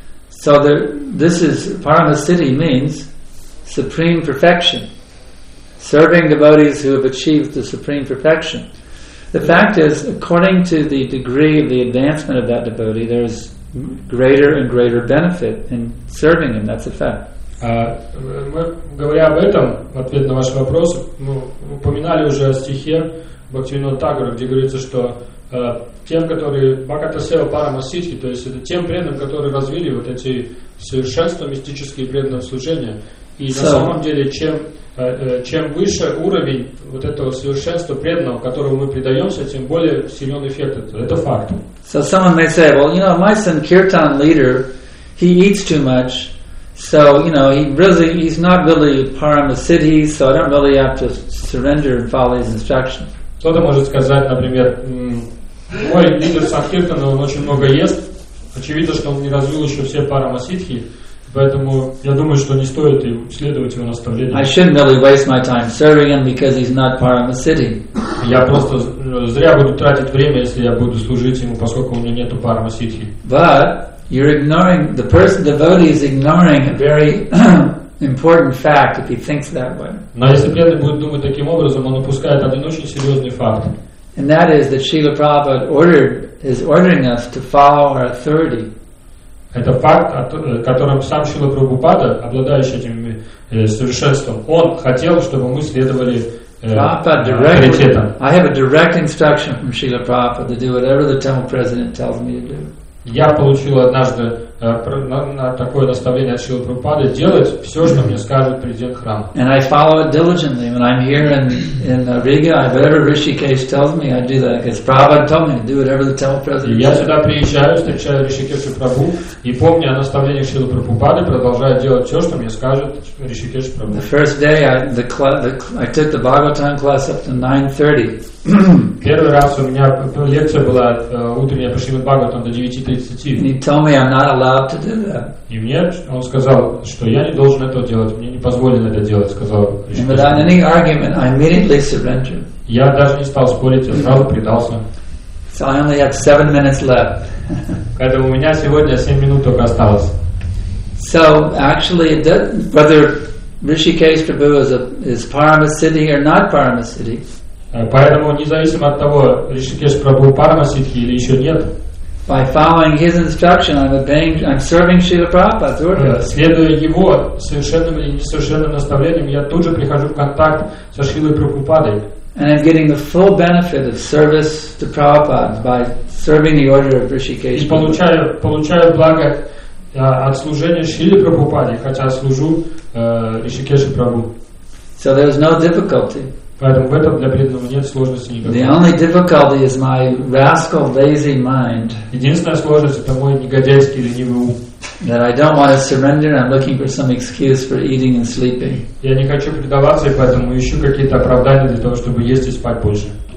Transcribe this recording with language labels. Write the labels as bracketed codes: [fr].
[en] So this is Paramasiddhi means supreme perfection. Serving devotees who have achieved the supreme perfection. The fact is, according to the degree of the advancement of that devotee, there is greater and greater benefit in serving him. That's a fact. [ru] Говоря об этом, в ответ на ваш вопрос, мы упоминали уже о стихе Бхактивинода Тхакура, где говорится, что тем, которые Бхакатасева Парамасидхи, то есть это тем преданным, которые развили вот эти совершенства мистические преданного служения. И на самом деле, чем выше уровень вот этого совершенства преданного, которому мы предаемся, тем более силен эффект. Это факт. [en] So someone may say, well, you know, my son Kirtan leader, he eats too much, So, you know, he's not really Paramasiddhi, so I don't really have to surrender and follow his instructions. [ru] Кто-то может сказать, например, мой лидер Санкиртана, он очень много ест, очевидно, что он не развил еще все Парамасиддхи, поэтому я думаю, что не стоит следовать его наставлениям. [en] I shouldn't really waste my time serving him because he's not Paramasiddhi. [ru] Я просто зря буду тратить время, если я буду служить ему, поскольку у меня нету Парамасиддхи. [en] But you're ignoring, the person, the devotee is ignoring a very important fact if he thinks that way. [ru] Но если преданный будет думать таким образом, он упускает один очень серьезный факт. [en] And that is that Srila Prabhupada is ordering us to follow our authority. [ru] Это факт, которым сам Шрила Прабхупада, обладающий этим совершенством, он хотел, чтобы мы следовали авторитетам. [en] I have a direct instruction from Srila Prabhupada to do whatever the temple president tells me to do. [ru] Я получил однажды на такое наставление от Шрилы Прабхупады делать все, что мне скажет президент храма. [en] And I follow it diligently. When I'm here in Riga, whatever Rishikesh tells me, I do that. Because Prabhupada told me to do whatever the temple president says. [ru] Я сюда приезжаю, встречаю Ришикеша Прабху и помню о наставлении Шрилы Прабхупады, продолжаю делать все, что мне скажет Ришикеш Прабху. [en] The first day I took the Bhagavatam class up to 9:30. [ru] Первый раз у меня лекция была утренняя по Шримад Бхагаватам до 9:30. И мне он сказал, что я не должен этого делать, мне не позволено это делать, сказал Ришикеша. Я даже не стал спорить, я сразу предался. [en] So I only had 7 minutes left. [ru] Поэтому у меня сегодня 7 минут только осталось. [en] So actually, whether Rishikesh Prabhu is Paramasiddhi or not Paramasiddhi. [ru] Поэтому независимо от того, Ришикеш Прабху Парамасиддхи или еще нет. [en] By following his instruction, I'm serving Srila Prabhupada. [ru] Следуя его совершенным или несовершенным наставлениям, я тут же прихожу в контакт со Шрилой Прабхупадой. [en] And I'm getting the full benefit of service to Prabhupada by serving the order of Rishikesh. [ru] И получаю благо от служения Шриле Прабхупаде, хотя служу Ришикеше Прабху. [en] So there's no difficulty. [ru] Поэтому в этом для преданного нет сложности никакой. [en] The only difficulty is my rascal, lazy mind. [ru] Единственная сложность — это мой негодяйский, ленивый ум. [en] That I don't want to surrender, I'm looking for some excuse for eating and sleeping. [ru] Я не хочу предаваться, и поэтому ищу какие-то оправдания для того, чтобы есть и спать больше.